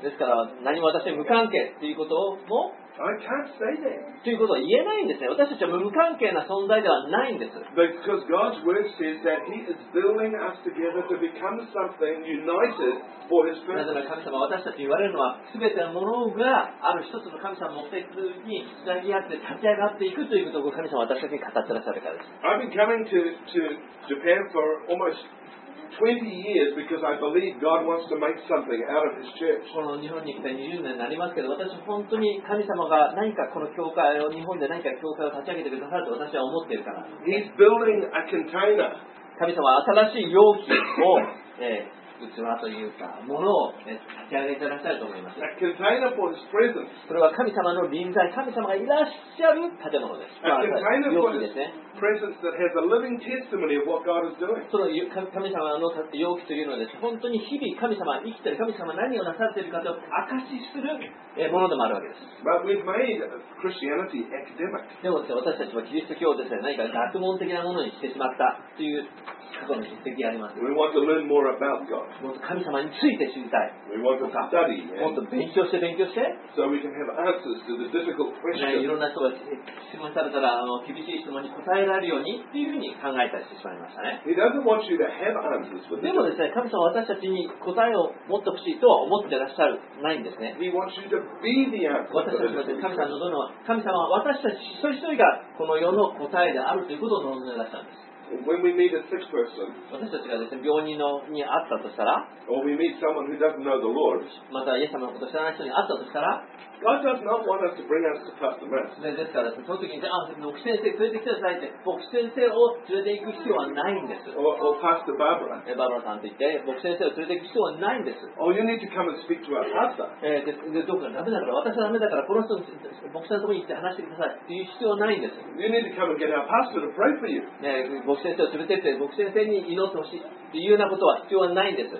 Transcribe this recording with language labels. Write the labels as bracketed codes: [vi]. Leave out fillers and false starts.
[ja] ですから何も私は無関係ということも。 [en] I can't say that. [ja] ということは言えないんですね。私たちは無関係な存在ではないんです。 [en] Because God's word says that He is building us together to become something united for His purpose. [ja] なぜなら神様は私たちに言われるのは、すべてのものがある一つの神様の目的に繋ぎ合って立ち上がっていくということを神様は私たちに語ってらっしゃるからです。 [en] I've been coming to Japan for almost 20 years because I believe God wants to make something out of His church. [ja] この日本に来て20年になりますけど、私は本当に神様が何かこの教会を日本で何か教会を立ち上げてくださると私は思っているから。 [en] He's building a container. [ja] 神様は新しい容器を器というかものを立ち上げてらっしゃると思います。 [en] A container for His presence. [ja] それは神様の臨在、神様がいらっしゃる建物です。 [en] A container for His presence that has a living testimony of what God is doing. [ja] その神様の容器というのはです、本当に日々神様生きている神様何をなさっているかと証しするものでもあるわけです。 [en] But we've made Christianity academic. [ja] でもですね、私たちはキリスト教をですね、何か学問的なものにしてしまったという過去の実績があります。 [en] We want to learn more about God. [ja] もっと神様について知りたい。 [en] We want to study. [ja] もっと勉強して勉強して。 [en] So we can have answers to the difficult questions. [ja] ね、いろんな人が質問されたら厳しい質問に答ええられるようにっていうふうに考えたりしてしまいましたね。 [en] He doesn't want you to have answers for this. [ja] でもですね、神様は私たちに答えを持ってほしいとは思ってらっしゃるないんですね。 [en] He wants you to be the answer. [ja] 私たちの神様は神様は私たち一人一人がこの世の答えであるということを望んでらっしゃるんです。 [en] When we meet a sick person, [ja] 私たちがですね、病人のに会ったとしたら、 [en] or we meet someone who doesn't know the Lord, [ja] またイエス様のことを知らない人に会ったとしたら、 [en] God does not want us to bring us to pass the mess. [ja] ね、ですからですね、その時に、牧師先生連れてきてくださいって、牧師先生を連れて行く必要はないんです。 [en] Or Pastor Barbara. [ja] バーバラさんと言って、牧師先生を連れて行く必要はないんです。 [en] Or you need to come and speak to our pastor. [ja] で、どうかダメだから、私はダメだから、この人に牧師さんのところに行って話してくださいっていう必要はないんです。 [en] You need to come and get our pastor to pray for you. [ja] ね、牧牧師先生を連れてって牧師先生に祈ってほしいというようなことは必要はないんです。